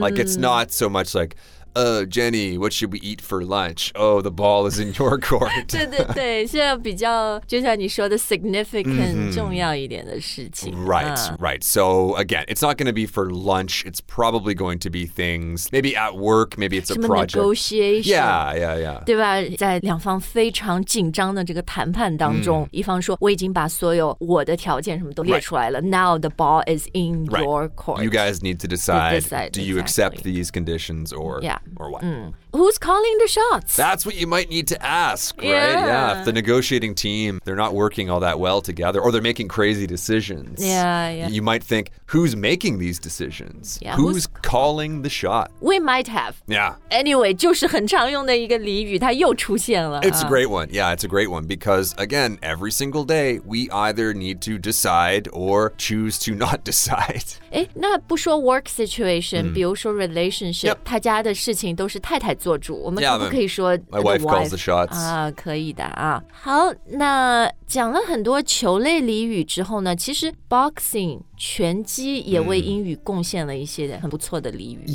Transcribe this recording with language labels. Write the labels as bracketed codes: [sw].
[en] Like it's not so much like, Jenny, what should we eat for lunch? Oh, the ball is in your court. [zh] 对对对，现在比较就像你说的 significant、mm-hmm. 重要一点的事情。 [en] Right,、right. So again, it's not going to be for lunch. It's probably going to be things, maybe at work, maybe it's a project. [zh] 什么 negotiation? [en] Yeah, yeah, yeah. [zh] 对吧？在两方非常紧张的这个谈判当中、mm. 一方说我已经把所有我的条件什么都列出来了、 [en] right. Now the ball is in、 right. your court. You guys need to decide, do you、 exactly. accept these conditions or...、 Yeah. Or what?、Mm. Who's calling the shots? That's what you might need to ask, right? Yeah. Yeah. If the negotiating team, they're not working all that well together, or they're making crazy decisions. Yeah, yeah. You might think, who's making these decisions? Yeah, who's calling the shot? We might have. Yeah. [zh] Anyway, 就是很常用的一个俚语它又出现了。 [en] It's a great one. Yeah, it's a great one. Because, again, every single day, we either need to decide or choose to not decide. [zh] 诶，那不说 work situation,、mm. 比如说 relationship,、 [en] yep. [zh] 他家的事情都是太太做主，我们可不可以说 [en] yeah, my wife calls the shots [zh] 啊？可以的啊。好，那讲了很多球类俚语之后呢，其实 boxing 拳击也为英语贡献了一些很不错的俚语。